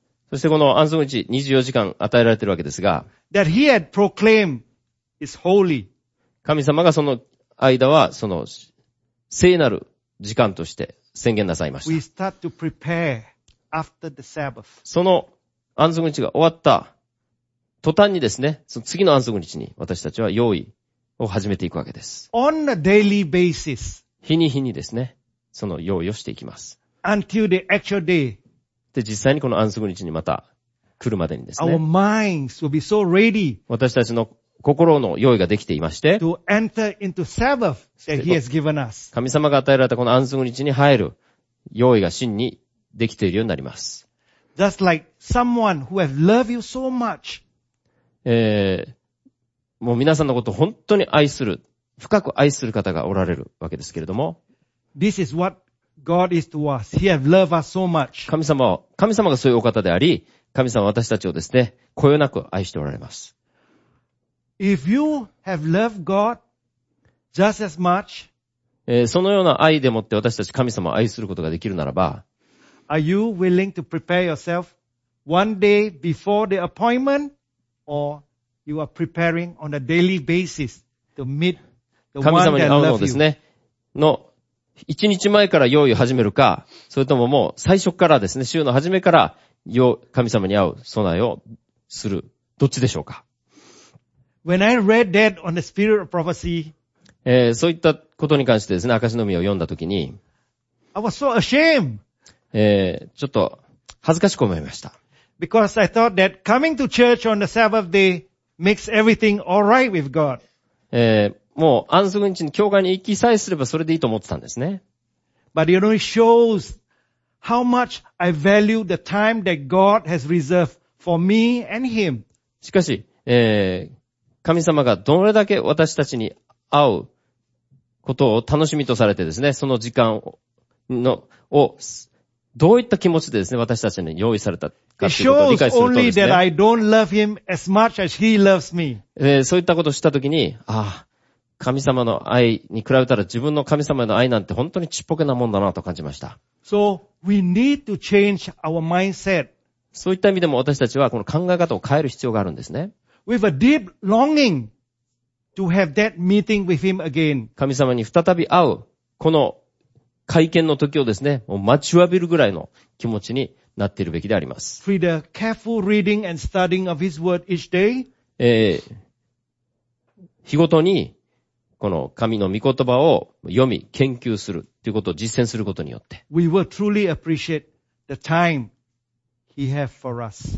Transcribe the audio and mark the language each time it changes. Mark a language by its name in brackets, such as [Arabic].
[Japanese] そしてこの安息日24時間与えられているわけですが、 [English] that he had proclaimed is holy. [Japanese] 神様がその間はその聖なる時間として宣言なさいました。 [English] We start to prepare after the Sabbath. [Japanese] その安息日が終わった途端にですね、その次の安息日に私たちは用意。を始めていくわけです。 [English] On a daily basis. [Japanese] 日に日にですね、その用意をしていきます。 [English] Until the actual day. [Japanese] で、実際にこの安息日にまた来るまでにですね。 [English] Our minds will be so ready. [Japanese] 私たちの心の用意ができていまして。 [English] To enter into Sabbath that He has given us. [Japanese] 神様が与えられたこの安息日に入る用意が真にできているようになります。 [English] That's like someone who has loved you so much. [Japanese] もう皆さんのことを本当に愛する、深く愛する方がおられるわけですけれども、 [English] This is what God is to us. He has loved us so much. [Japanese] 神様がそういうお方であり、神様は私たちをですね、こよなく愛しておられます。 [English] If you have loved God just as much, [Japanese] そのような愛でもって私たち神様を愛することができるならば、 [English] Are you willing to prepare yourself one day before the appointment or You are preparing on a daily basis to meet the one that loves you. [Japanese] 神様に会うのですね。の、一日前から用意を始めるか、それとももう最初からですね、週の初めから、神様に会う備えをする、どっちでしょうか。 [English] When I read that on the spirit of prophecy, [Japanese] そういったことに関してですね、証の御を読んだときに、 [English] I was so ashamed! [Japanese] ちょっと、恥ずかしく思いました。 [English] Because I thought that coming to church on the Sabbath day,Makes everything all right with God. [Japanese] もう安息日に教会に行きさえすればそれでいいと思ってたんですね。 [English] But you know, it shows how much I value the time that God has reserved for me and Him. [Japanese] しかし、神様がどれだけ私たちに会うことを楽しみとされてですね、その時間のをどういった気持ちでですね、私たちに用意された。 [English] It shows only that I don't love him as much as he loves me. [Japanese] そういったことを知ったときに、ああ、神様の愛に比べたら自分の神様の愛なんて本当にちっぽけなもんだなと感じました。 [English] So we need to change our mindset. [Japanese] そういった意味でも私たちはこの考え方を変える必要があるんですね。 [English] With a deep longing to have that meeting with him again. [Japanese] 神様に再び会うこの会見の時をですね、もう待ちわびるぐらいの気持ちに。なっているべきであります。 [English] Through the careful reading and studying of His word each day, [Japanese] 日ごとにこの神の御言葉を読み、研究するということを実践することによって、 [English] We will truly appreciate the time he have for us.